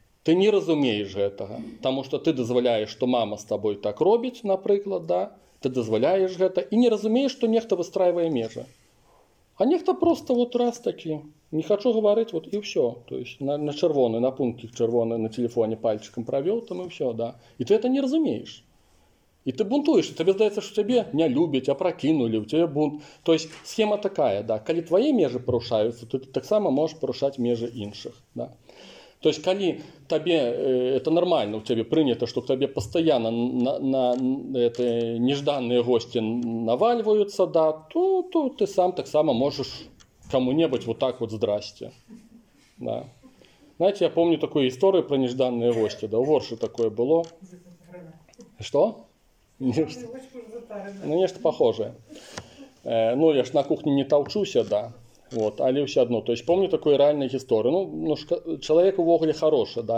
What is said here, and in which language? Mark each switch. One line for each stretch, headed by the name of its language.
Russian: Ты не разумеешь этого, потому что ты дозволяешь, что мама с тобой так робит, например, да, ты дозволяешь это, и не разумеешь, что некто выстраивает межи. А некто просто вот раз таки, не хочу говорить, вот и все. То есть на червоный, на пунктик червоный на телефоне пальчиком провел, там и все, да. И ты это не разумеешь.
Ukrainian: І ти бунтуєш, і тобі здається, що тебе не люблять, опрокинули, у тебе бунт. Тобто схема така, да. Коли твої межі порушаються, то ти так само можеш порушати межі інших. Да. Тобто, коли тобі, це нормально, у тебе прийнято, що тобі постійно на нежданні гості навалюються, да, то ти сам так само можеш кому-небудь вот так вот здрасте. Да.
Russian: Знаете, я помню такую историю про нежданные гости. Да, у Ворши такое было. Что? Ну, нечто похожее. Ну, я ж на кухне не толчусь, да. Вот, але все одно. То есть помню такую реальную историю. Ну человек в огле хороший, да.